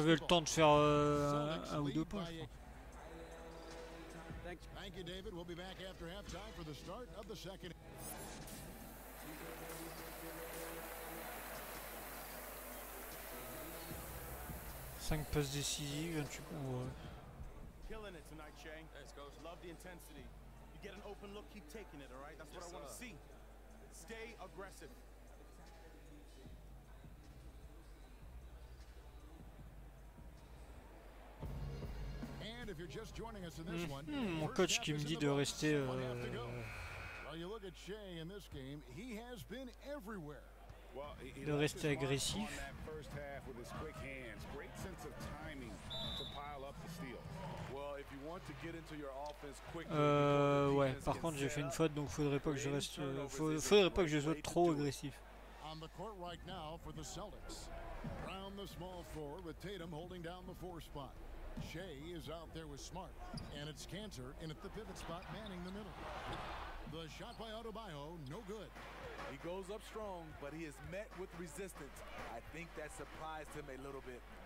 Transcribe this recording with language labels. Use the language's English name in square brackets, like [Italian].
[French] Il avait le temps de faire un ou deux points. [English] Thank you, David. We'll be back after halftime for the start of the second. [French] Cinq passes décisives. [English] Killing it tonight, Shay. Thanks, coach. Love the intensity. You get an open look, keep taking it, all right? That's what I want to see. Stay aggressive. And if you're just joining us in this one, [French] mon coach qui me dit de rester [English] Well, you look at Shay in this game, he has been everywhere. [French] Well, de rester agressif. [English] First half with his quick hands, great sense of timing to pile up the steals. Well, if you want to get into your offense quickly, [French] ouais, par contre, j'ai fait une faute, donc faudrait pas que je reste faudrait pas que je sois trop agressif. [English] On the court right now for the Celtics. Round the small four with Tatum holding down the four spot. Shay is out there with Smart, and it's Cantor in at the pivot spot, manning the middle. The shot by Adebayo, no good. He goes up strong, but he is met with resistance. I think that surprised him a little bit.